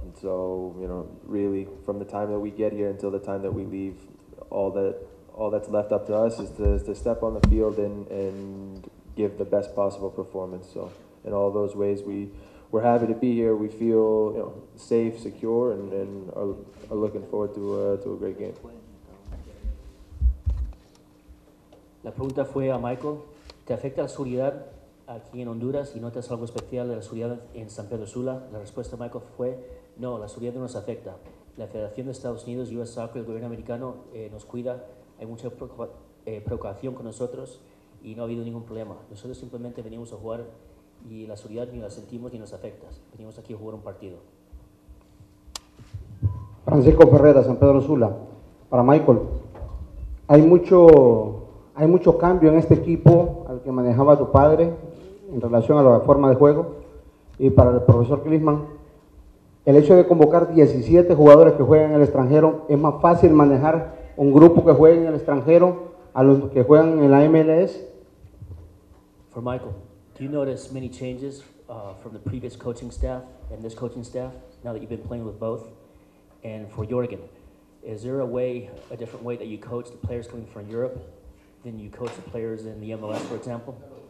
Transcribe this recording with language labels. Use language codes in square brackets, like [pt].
[en] And so, you know, really, from the time that we get here until the time that we leave, all that's left up to us is to step on the field and give the best possible performance. So, in all those ways, we're happy to be here. We feel, you know, safe, secure, and are looking forward to a great game. [es] La pregunta fue a Michael. ¿Te afecta la seguridad aquí en Honduras y notas algo especial de la seguridad en San Pedro Sula? La respuesta de Michael fue, no, la seguridad no nos afecta. La Federación de Estados Unidos, US Soccer, el gobierno americano nos cuida. Hay mucha preocupación con nosotros y no ha habido ningún problema. Nosotros simplemente venimos a jugar y la seguridad ni la sentimos ni nos afecta. Venimos aquí a jugar un partido. Francisco Ferreira, San Pedro Sula. Para Michael, hay mucho cambio en este equipo al que manejaba tu padre en relación a la forma de juego. Y para el profesor Klinsmann, el hecho de convocar 17 jugadores que juegan en el extranjero, ¿es más fácil manejar un grupo que juega en el extranjero a los que juegan en la MLS? [en] For Michael, do you notice many changes from the previous coaching staff and this coaching staff, now that you've been playing with both? And for Jorgen, is there a different way that you coach the players coming from Europe than you coach the players in the MLS, for example?